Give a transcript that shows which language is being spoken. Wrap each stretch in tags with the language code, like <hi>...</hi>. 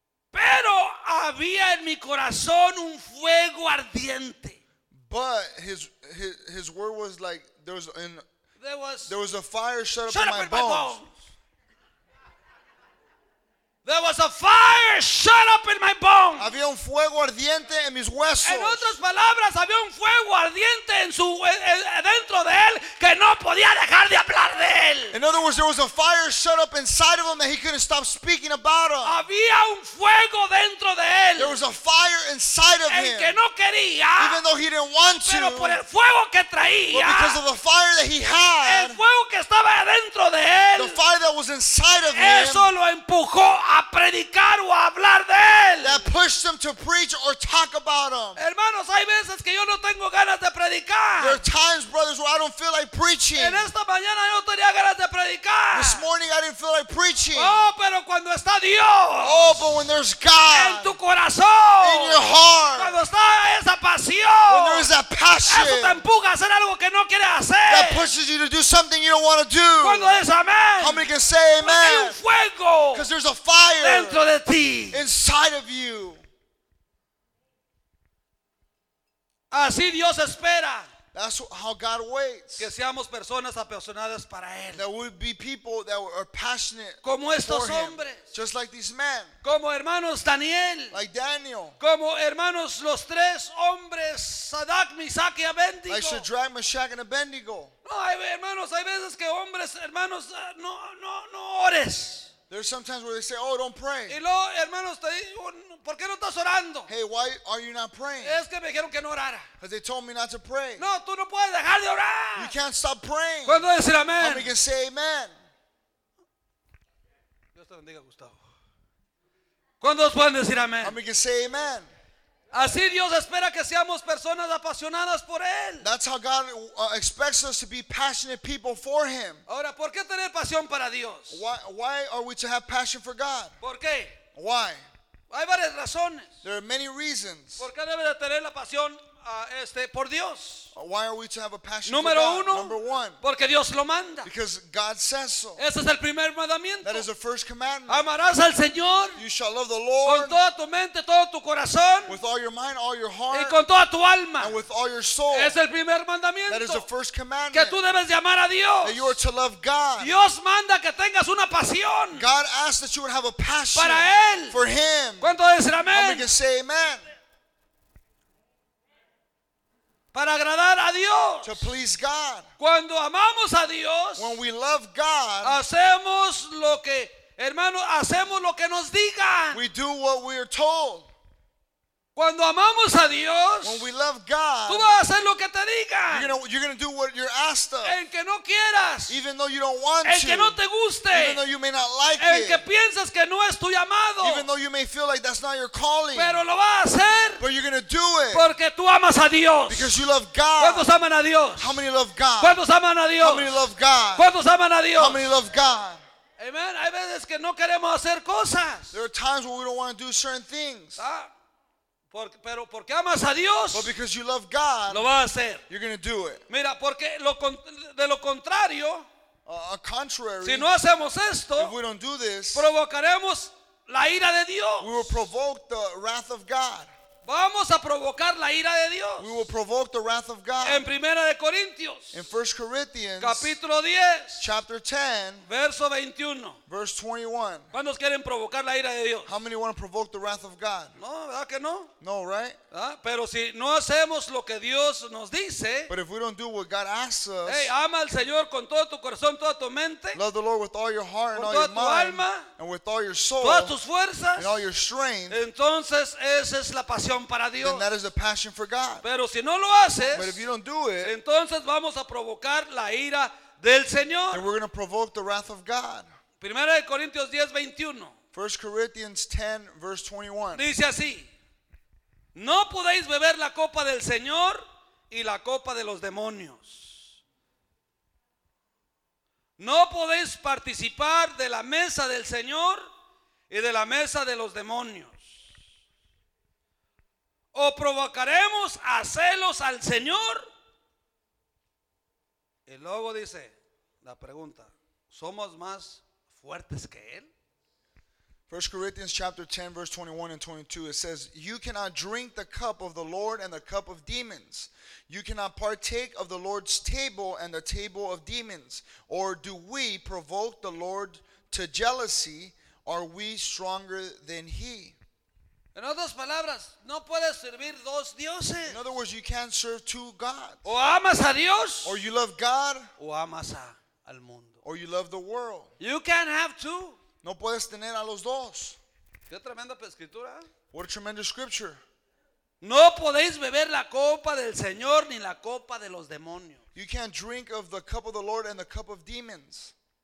<es>Pero había en mi corazón un fuego ardiente.</es> <en>But his word was like there was a fire shut up in my bones. There was a fire shut up in my bones.</en> <es>Había un fuego ardiente en mis huesos. En otras palabras, había un fuego ardiente en su dentro de él que no podía dejar de hablar de él.</es> <en>In other words, there was a fire shut up inside of him that he couldn't stop speaking about him.</en> <es>Había un fuego dentro de él.</es> <en>There was a fire inside of him.</en> <es>El que no quería.</es> <en>Even though he didn't want to.</en> <es>Pero por el fuego que traía.</es> <en>But because of the fire that he had.</en> <es>El fuego que estaba dentro de él.</es> <en>The fire that was inside of him.</en> <es>Eso lo empujó a predicar o a hablar de él.</es> <en>That pushed him to preach or talk about him.</en> <es>Hermanos, hay veces que yo no tengo ganas de predicar.</es> <en>There are times, brothers, where I don't feel like preaching.</en> <es>En esta mañana yo tenía ganas de predicar.</es> <en>This morning I didn't feel like preaching.</en> <es>Oh, pero cuando está Dios.</es> <en>Oh, but when there's God.</en> <es>En tu corazón.</es> <en>In your heart.</en> <es>Cuando está esa pasión.</es> <en>When there is that passion.</en> <es>Eso te empuja a hacer algo que no quieres hacer.</es> <en>That pushes you to do something you don't want to do.</en> <es>Cuando es amén.</es> <en>How many can say amen?</en> <es>Porque hay un fuego.</es> <en>Because there's a fire</en> <es>dentro de ti.</es> <en>Inside of you.</en> <es>Así Dios espera.</es> <en>That's how God waits.</en> <es>Que seamos personas apasionadas para él.</es> <en>That we be people that are passionate.</en> <es>Como estos hombres.</es> <en>Just like these men.</en> <es>Como hermanos Daniel.</es> <en>Like Daniel.</en> <es>Como hermanos los tres hombres Sadrach, Meshach y Abednego.</es> <en>Like Shadrach, Meshach and Abednego.</en> <es>No, hermanos, hay veces que hombres, hermanos, no ores.</es> <en>There's sometimes where they say, "Oh, don't pray."</en> <es>Y luego, hermanos, te digo, ¿por qué no estás orando?</es> <en>Hey, why are you not praying?</en> <es>Es que me dijeron que no orara.</es> <en>Because they told me not to pray.</en> <es>No, tú no puedes dejar de orar.</es> <en>You can't stop praying.</en> <es>¿Cuándo decir amén?</es> <en>How many can say amen?</en> <es>Dios te bendiga, Gustavo. ¿Cuándo pueden decir amén?</es> <en>How many can say amen?</en> <es>Así Dios espera que seamos personas apasionadas por él.</es> <en>That's how God expects us to be passionate people for him.</en> <es>Ahora, ¿por qué tener pasión para Dios?</es> <en>Why are we to have passion for God?</en> <es>¿Por qué?</es> <en>Why?</en> <es>Hay varias razones.</es> <en>There are many reasons.</en> <es>¿Por qué debe de tener la pasión por Dios?</es> <en>Why are we to have a passion</en> <es>Número</es> <en>for God?</en> <es>Uno,</es> <en>Number one.</en> <es>Porque Dios lo manda.</es> <en>Because God says so.</en> <es>Ese es el primer mandamiento.</es> <en>That is the first commandment.</en> <es>Amarás al Señor.</es> <en>You shall love the Lord.</en> <es>Con toda tu mente, todo tu corazón.</es> <en>With all your mind, all your heart.</en> <es>Y con toda tu alma.</es> <en>And with all your soul.</en> <es>Es el primer mandamiento.</es> <en>That is the first commandment.</en> <es>Que tú debes de amar a Dios.</es> <en>That you are to love God.</en> <es>Dios manda que tengas una pasión.</es> <en>God asks that you would have a passion.</en> <es>Para él.</es> <en>For him.</en> <es>¿Cuánto decir amén?</es> <en>How many can say amen?</en> <es>Para agradar a Dios.</es> <en>To please God.</en> <es>Cuando amamos a Dios.</es> <en>When we love God.</en> <es>Hacemos lo que, hermano, hacemos lo que nos digan.</es> <en>We do what we are told.</en> <es>Cuando amamos a Dios.</es> <en>When we love God.</en> <es>Tú vas a hacer lo que te digan.</es> <en>You're gonna do what you're asked of.</en> <es>En que no quieras.</es> <en>Even though you don't want en to.</en> <es>Que no te guste.</es> <en>Even though you may not like en it.</en> <es>Que piensas que no es tu llamado.</es> <en>Even though you may feel like that's not your calling.</en> <es>Pero lo vas a hacer.</es> <en>But you're gonna do it.</en> <es>Porque tú amas a Dios.</es> <en>Because you love God.</en> <es>¿Cuántos aman a Dios?</es> <en>How many love God?</en> <es>¿Cuántos aman a Dios?</es> <en>How many love God?</en> <es>¿Cuántos aman a Dios?</es> <en>How many love God? Amen.</en> <es>Hay veces que no queremos hacer cosas.</es> <en>There are times when we don't want to do certain things.</en> <es>Ah. Pero porque amas a Dios,</es> <en>but because you love God,</en> <es>lo vas a hacer.</es> <en>You're going to do it.</en> <es>Mira, porque de lo contrario,</es> <en>contrary,</en> <es>si no hacemos esto,</es> <en>if we don't do this,</en> <es>provocaremos la ira de Dios.</es> <en>We will provoke the wrath of God.</en> <es>Vamos a provocar la ira de Dios.</es> <en>We will provoke the wrath of God.</en> <es>En Primera de Corintios,</es> <en>in 1 Corinthians,</en> <es>capítulo 10,</es> <en>chapter 10,</en> <es>verso 21.</es> <en>Verse 21.</en> <es>¿Cuántos quieren provocar la ira de Dios?</es> <en>How many want to provoke the wrath of God?</en> <es>No, ¿verdad que no?</es> <en>No, right? ¿Ah?</en> <es>Pero si no hacemos lo que Dios nos dice,</es> <en>but if we don't do what God asks us,</en> <es>hey, ama al Señor con todo tu corazón, toda tu mente,</es> <en>love the Lord with all your heart and all</en> <es>toda</es> <en>your mind,</en> <es>tu alma,</es> <en>and with all your soul,</en> <es>todas tus fuerzas,</es> <en>and all your strength,</en> <es>entonces esa es la pasión para Dios.</es> <en>Then that is the passion for God.</en> <es>Pero si no lo haces,</es> <en>but if you don't do it,</en> <es>entonces vamos a provocar la ira del Señor.</es> <en>And we're going to provoke the wrath of God.</en> <es>1 Corintios 10, 21.</es> <en>1 Corinthians 10, verse 21.</en> <es>Dice así: No podéis beber la copa del Señor y la copa de los demonios. No podéis participar de la mesa del Señor y de la mesa de los demonios. O provocaremos a celos al Señor. Y luego dice la pregunta: ¿Somos más fuertes que él?</es> <en>1 Corinthians chapter 10 verse 21 and 22, it says, You cannot drink the cup of the Lord and the cup of demons. You cannot partake of the Lord's table and the table of demons. Or do we provoke the Lord to jealousy? Are we stronger than he?</en> <es>En otras palabras, no puedes servir dos dioses.</es> <en>In other words, you can't serve two gods.</en> <es>O amas a Dios.</es> <en>Or you love God.</en> <es>O amas al mundo.</es> <en>Or you love the world. You can't have two.</en> <es>No puedes tener a los dos. Qué tremenda escritura.</es> <en>What a tremendous scripture.</en> <es>No podéis beber la copa del Señor ni la copa de los demonios.</es> <en>You can't drink of the cup of the Lord and the cup of demons.</en>